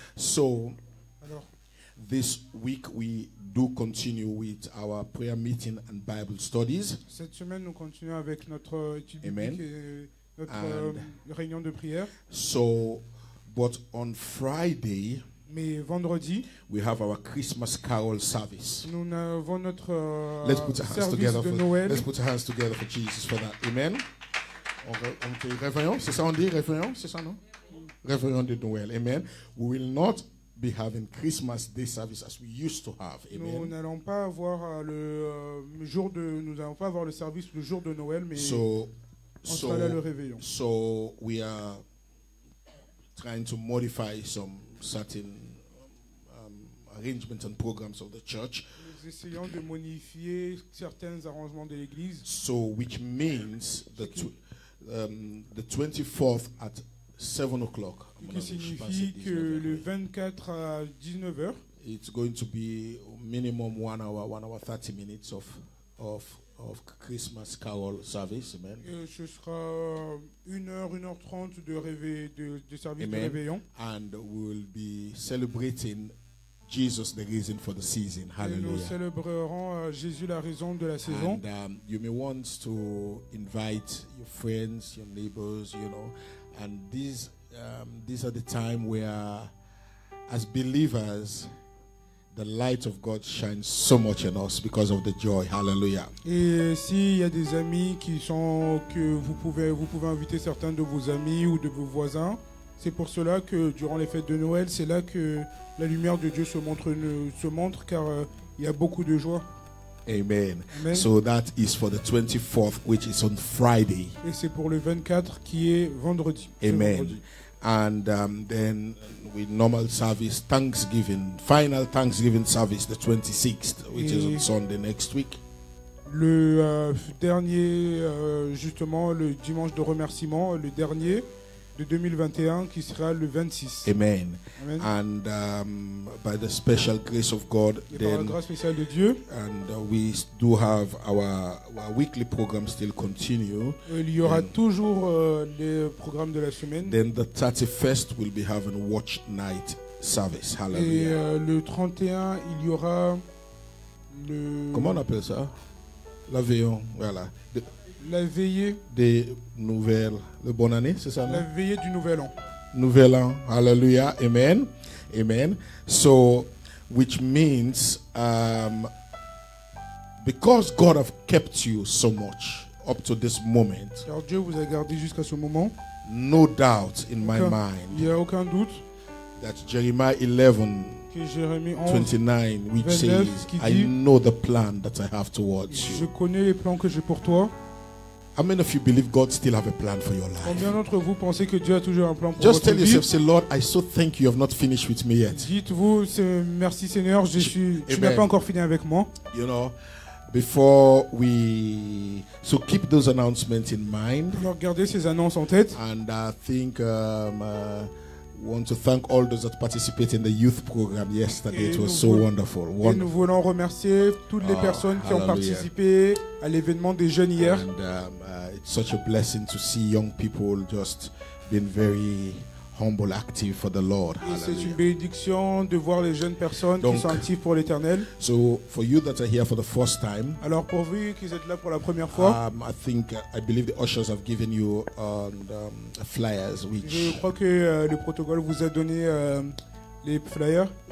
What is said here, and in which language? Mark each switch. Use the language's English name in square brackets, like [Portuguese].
[English] So, this week we do continue with our prayer meeting and Bible studies. [French] Cette semaine nous continuons avec notre étude biblique et notre réunion de prière. [English] So, but on Friday, [French] mais vendredi, [English] we have our Christmas carol service. [French] Nous avons notre service de Noël. [English] Let's put our hands together for Jesus for that. Amen. [French] On fait réveillons, c'est ça on dit réveillons, c'est ça non? Réveillons de Noël. [English] Amen. We will not be having Christmas Day service as we used to have. Amen. [French] Nous n'allons pas avoir le service le jour de Noël, mais sera là le réveillon. [English] So we are trying to modify some certain arrangements and programs of the church. [French] Nous essayons de modifier certains arrangements de l'église. [English] So which means the 24th at 7 o'clock. [French] Qui signifie que le 24 à 19h, [English] it's going to be minimum 1 hour 30 minutes of Christmas carol service, amen. [French] Ce sera 1 heure 30 de service de réveillon. [English] And we'll be celebrating Jesus, the reason for the season. Hallelujah. [French] Et nous célébrerons Jésus, la raison de la saison. [English] And you may want to invite your friends, your neighbors, you know. And these are the time where, as believers, the light of God shines so much in us because of the joy. Hallelujah. [French] Et si il y a des amis qui sont que vous pouvez inviter certains de vos amis ou de vos voisins, c'est pour cela que durant les fêtes de Noël, c'est là que la lumière de Dieu se montre car il y a beaucoup de joie. Amen. Amen. [English] So that is for the 24th, which is on Friday. [French] Et c'est pour le 24 qui est vendredi. Amen. Vendredi. [English] And then with normal service, Thanksgiving, final Thanksgiving service, the 26th, which is on Sunday next week. [French] Le dernier, justement, le dimanche de remerciement, le dernier de 2021 qui sera le 26. [English] Amen. Amen. And by the special grace of God, [French] then, la grâce spéciale de Dieu, [English] and we do have our weekly program still continue. [French] Il y aura toujours les programmes de la semaine. [English] Then the 31st will be having watch night service. Hallelujah. [French] Et le 31, il y aura le, comment on appelle ça, la veillon, voilà. La veillée des nouvelles, le bon année, c'est ça? La veillée du nouvel an. Nouvel an, hallelujah, amen, amen. [English] So, which means, because God have kept you so much up to this moment. [French] Car Dieu vous a gardé jusqu'à ce moment. [English] No doubt in my mind. [French] Il y a aucun doute. [English] That Jeremiah 11. [French] Jérémie [English] 29, which says, I know the plan that I have towards you. [French] Je connais les plans que j'ai pour toi. [English] How many of you believe God still have a plan for your life? [French] Combien d'entre vous pensez que Dieu a toujours un plan pour vie? [English] Just tell yourself, say, Lord, I so thank you, you have not finished with me yet. [French] Dites-vous, merci Seigneur, tu n'as pas encore fini avec moi. [English] You know, before we so keep those announcements in mind. [French] Alors gardez ces annonces en tête. [English] And I think want to thank all those that participated in the youth program yesterday. it was so wonderful. [French] Et nous voulons remercier toutes les personnes qui ont participé à l'événement des jeunes hier. [English] And it's such a blessing to see young people just being very humble, active for the Lord. [French] Et c'est une bénédiction de voir les jeunes personnes qui sont actives pour l'Éternel. [English] So for you that are here for the first time. [French] Alors pour vous qui êtes là pour la première fois. [English] I believe the ushers have given you flyers which. [French] Je crois que le protocole vous a donné les flyers.